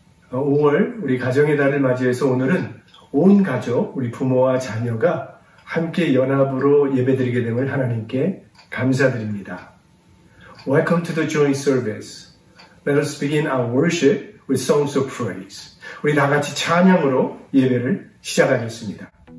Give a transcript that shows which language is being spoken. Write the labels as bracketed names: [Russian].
[Korean] 5월 우리 가정의 달을 맞이해서 오늘은 온 가족, 우리 부모와 자녀가 함께 연합으로 예배드리게 됨을 하나님께 감사드립니다. [English] Welcome to the joint service. Let us begin our worship with songs of praise. [Korean] 우리 다 같이 찬양으로 예배를 시작하겠습니다.